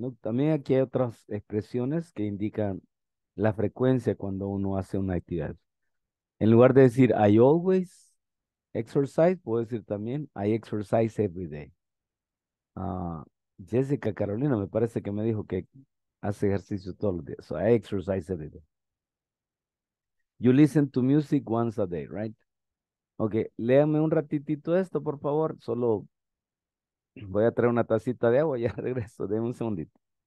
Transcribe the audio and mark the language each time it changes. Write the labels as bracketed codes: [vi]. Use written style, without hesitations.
[es] Look, también aquí hay otras expresiones que indican la frecuencia cuando uno hace una actividad. En lugar de decir, [en] I always exercise, [es] puedo decir también, [en] I exercise every day. [es] Jessica Carolina me parece que me dijo que hace ejercicio todos los días. [en] So I exercise every day. You listen to music once a day, right? [es] Okay, léame un ratitito esto, por favor. Solo voy a traer una tacita de agua y ya regreso. Deme un segundito.